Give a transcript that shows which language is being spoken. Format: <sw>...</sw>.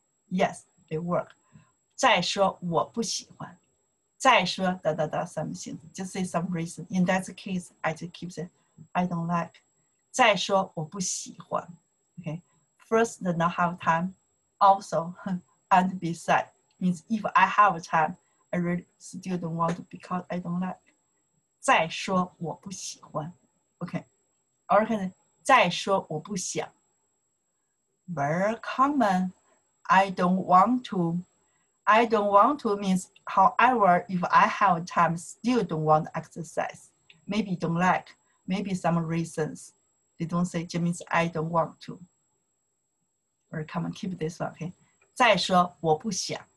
<en>yes, they work,</en> <zh>再说, 我不喜欢,</zh> <en>再说, da da da, something, just say some reason, in that case, I just keep saying, I don't like,</en> <zh>再说, 我不喜欢,</zh> <en>okay, first, the not have time, also, and besides, means if I have time, I really still don't want to because I don't like.</en> <zh>再说我不喜欢.</zh> <en>Okay. Or can</en> <zh>再说我不想.</zh> <en>Very common. I don't want to. I don't want to means however, if I have time, still don't want to exercise. Maybe don't like. Maybe some reasons. They don't say, it means I don't want to. Very common. Keep this one. Okay.</en> <zh>再说我不想.</zh>